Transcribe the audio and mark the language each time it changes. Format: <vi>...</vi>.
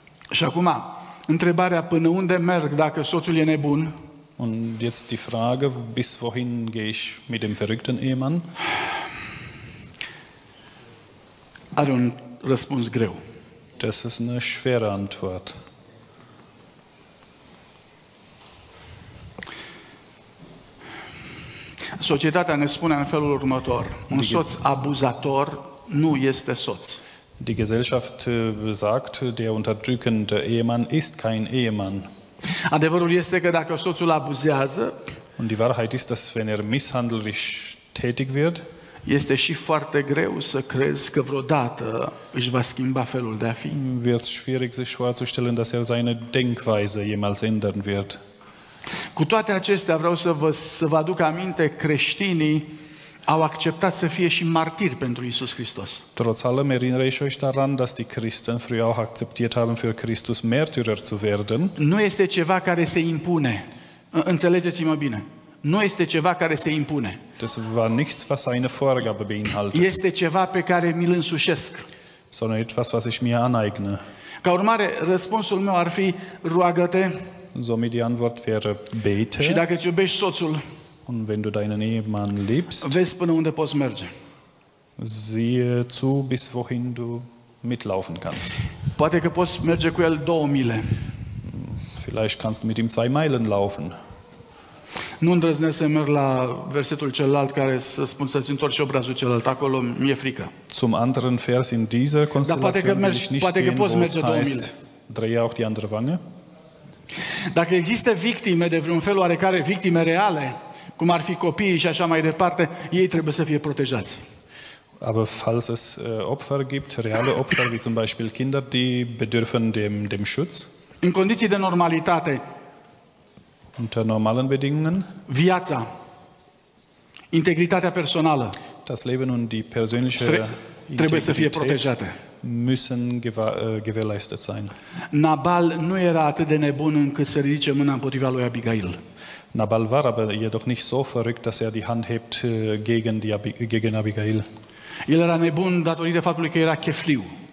<ro>Și acum, întrebarea până unde merg dacă soțul e nebun?</ro> <de>Und jetzt die Frage, bis wohin gehe ich mit dem verrückten Ehemann?</de> <ro>Are un răspuns greu.</ro> <de>Das ist eine schwere Antwort.</de> <ro>Societatea ne spune în felul următor. Un soț abuzator nu este soț.</ro> <de>Die Gesellschaft sagt, der unterdrückende Ehemann ist kein Ehemann.</de> <ro>Adevărul este că dacă soțul abuzează,</ro> <de>und die Wahrheit ist, dass wenn er misshandelrisch tätig wird,</de> <ro>este și foarte greu să crezi că vreodată își va schimba felul de a fi.</ro> <de>Wird es schwierig sich vorzustellen, dass er seine Denkweise jemals ändern wird.</de> <ro>Cu toate acestea, vreau să vă aduc aminte, creștinii au acceptat să fie și martiri pentru Iisus Hristos.</ro> <de>Trotz allem erinnere ich euch daran, dass die Christen früher auch akzeptiert haben, für Christus Märtyrer zu werden.</de> <ro>Nu este ceva care se impune. Înțelegeți-mă bine. Nu este ceva care se impune.</ro> <de>Das war nichts, was eine Vorgabe beinhaltet.</de> <ro>Este ceva pe care mi-l însușesc.</ro> <de>Sondern etwas, was ich mir aneigne.</de> <ro>Ca urmare, răspunsul meu ar fi roagă-te.</ro> <de>Somit die Antwort wäre bete.</de> <ro>Și dacă îți iubești soțul,</ro> <de>und wenn du deinen Ehemann liebst,</de> <ro>vezi până unde poți merge.</ro> <de>Siehe zu, bis wohin du mitlaufen kannst.</de> <ro>Poate că poți merge cu el 2 mile.</ro> <de>Vielleicht kannst du mit ihm 2 Meilen laufen.</de> <ro>Nu îndrăznesc să merg la versetul celălalt care să spun să-ți întorci obrazul celălalt. Acolo mi-e frică.</ro> <de>Zum anderen Vers in dieser Konstellation.</de> <ro>Dar poate că merg, poate că poți merge 2 mile.</ro> <de>Drehe auch die andere Wange.</de> <ro>Dacă există victime de vreun fel oarecare, victime reale, cum ar fi copiii și așa mai departe, ei trebuie să fie protejați.</ro> <de>Aber falls es Opfer gibt, reale Opfer, wie zum Beispiel Kinder, die bedürfen dem Schutz.</de> <ro>În condiții de normalitate.</ro> <de>Unter normalen Bedingungen.</de> <ro>Viața. Integritatea personală.</ro> <de>Das Leben und die persönliche</de> <ro>trebuie să fie protejate.</ro> <de>Müssen gewährleistet sein.</de> <ro>Nabal nu era atât de nebun încât să ridice mâna împotriva lui Abigail.</ro> <de>Nabal war aber jedoch nicht so verrückt, dass er die Hand hebt gegen Abigail.</de> <ro>El era nebun datorită faptului că era chefliu.</ro>